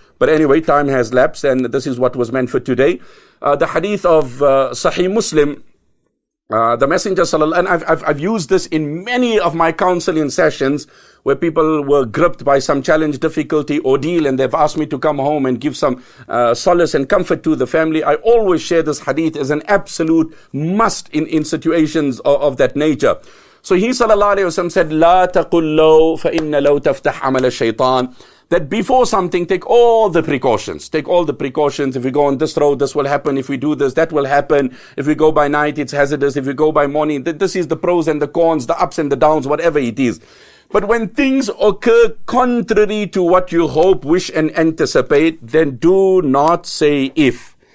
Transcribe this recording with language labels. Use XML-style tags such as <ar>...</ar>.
<en>But anyway, time has lapsed and this is what was meant for today. The hadith of Sahih Muslim, the Messenger sallallahu alaihi wasallam, and I've used this in many of my counseling sessions where people were gripped by some challenge, difficulty, ordeal, and they've asked me to come home and give some solace and comfort to the family. I always share this hadith as an absolute must in situations of that nature.</en> <ar>So he sallallahu alayhi wa sallam said, لا تقل لو فإن لو تفتح عمل الشيطان</ar> <en>that before something, take all the precautions. Take all the precautions. If we go on this road, this will happen. If we do this, that will happen. If we go by night, it's hazardous. If we go by morning, this is the pros and the cons, the ups and the downs, whatever it is. But when things occur contrary to what you hope, wish, and anticipate, then do not say if.</en>